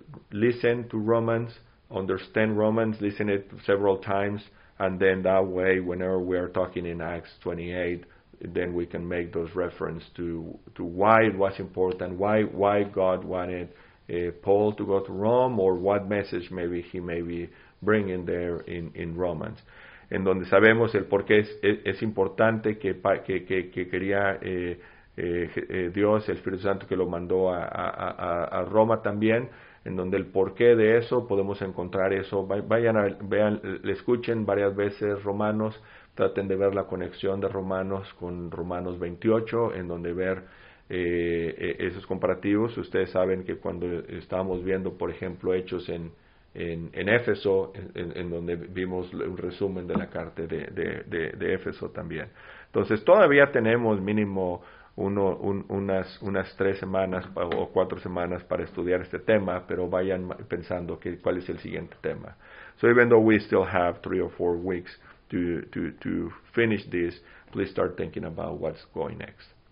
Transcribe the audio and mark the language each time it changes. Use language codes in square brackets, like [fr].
[en] listen to Romans, understand Romans, listen it several times, and then that way, whenever we are talking in Acts 28, then we can make those reference to why it was important, why God wanted Paul to go to Rome, or what message maybe he may be bringing there in Romans. [es] En donde sabemos el por qué es importante que quería Dios, el Espíritu Santo que lo mandó a Roma también, en donde el por qué de eso podemos encontrar eso. Vayan, le escuchen varias veces Romanos, traten de ver la conexión de Romanos con Romanos 28, en donde ver esos comparativos. Ustedes saben que cuando estábamos viendo, por ejemplo, Hechos en Éfeso, en donde vimos un resumen de la carta de Éfeso también. Entonces, todavía tenemos mínimo unas 3 semanas o 4 semanas para estudiar este tema, pero vayan pensando cuál es el siguiente tema. [en] So even though we still have 3 or 4 weeks to finish this, please start thinking about what's going next.